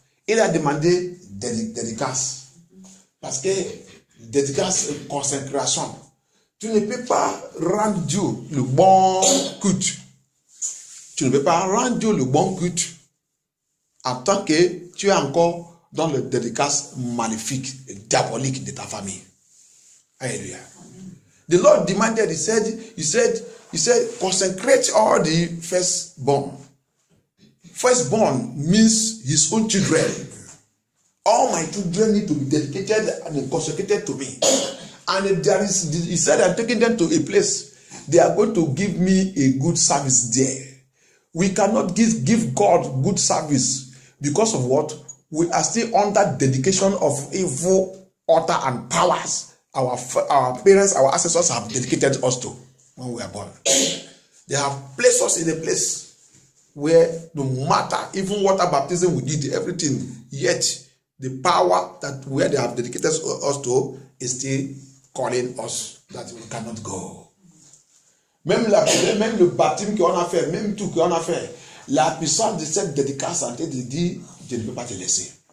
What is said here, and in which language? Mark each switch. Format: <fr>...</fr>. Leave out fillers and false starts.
<fr>Il a demandé dédicace. Parce que dédicace, consécration. Tu ne peux pas rendre Dieu le bon culte. Tu ne peux pas rendre Dieu le bon culte en tant que tu es encore dans le dédicace maléfique et diabolique de ta famille. Alléluia.</fr> <en>The Lord demanded, he said, consecrate all the firstborn. Firstborn means his own children. All my children need to be dedicated and consecrated to me. And he said, I'm taking them to a place. They are going to give me a good service there. We cannot give God good service because of what? We are still under dedication of evil, order, and powers our parents, our ancestors have dedicated us to when we are born. They have placed us in a place where no matter, even water baptism we did, everything, yet the power that where they have dedicated us to is still calling us that we cannot go.</en> <fr>Même la même le baptême qu'on a fait, même tout qu'on a fait, la puissance de cette dédicace en train de dire, je ne peux pas te laisser.</fr>